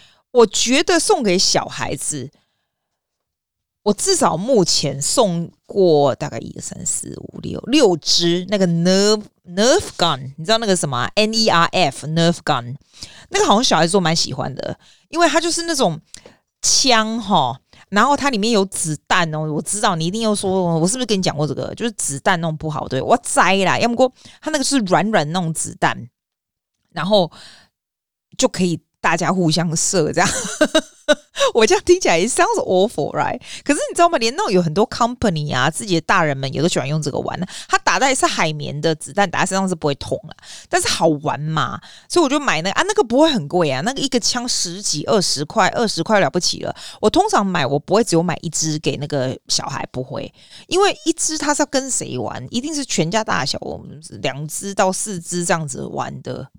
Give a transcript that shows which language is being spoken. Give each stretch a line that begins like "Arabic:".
Chinese: 我觉得送给小孩子。我至少目前送过大概1、2、3、4、5、6、6支那个 Nerf Gun， 你知道那个什么 NERF Nerf Gun， 那个好像小孩子都蛮喜欢的，因为它就是那种枪哈，然后它里面有子弹哦。我知道你一定又说我是不是跟你讲过这个，就是子弹弄不好，对我栽啦，要不过它那个是软软弄子弹，然后就可以大家互相射这样。我这样听起来
English: it sounds awful, right?
Chinese: 可是你知道吗，连那种有很多 company 啊，自己的大人们也都喜欢用这个玩，他打的是海绵的子弹，打在身上是不会痛啊，但是好玩嘛，所以我就买那个啊，那个不会很贵啊，那个一个枪十几二十块，二十块了不起了。我通常买，我不会只有买一支给那个小孩，不会，因为一支他是要跟谁玩，一定是全家大小，我们两支到四支这样子玩的。